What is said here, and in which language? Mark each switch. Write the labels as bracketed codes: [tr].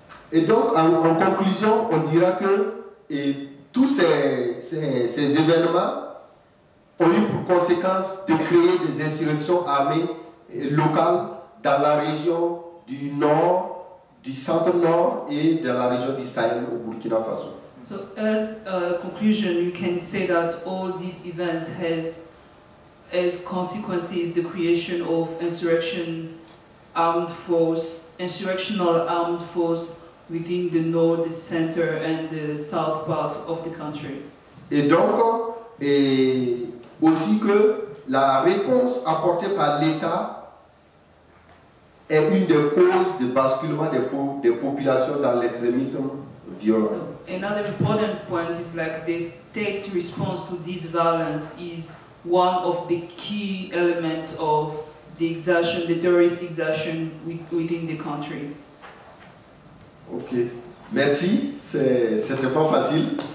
[fr] Et donc, en conclusion, on dira que tous ces événements ont eu pour conséquence de créer des insurrections armées locales dans la région du nord, du centre-nord et dans la région du Sahel au Burkina Faso. [en] So as a conclusion, you can say that all these events has as consequences the creation of insurrectional armed force within the north, the center and the south parts of the country. [fr] Et donc aussi que la réponse apportée par l'État est une des causes de basculement des populations dans l'extrémisme violent. [en] So, another important point is like the state's response to this violence is one of the key elements of the exertion, the terrorist exertion within the country. [fr] Ok, merci. C'était pas facile.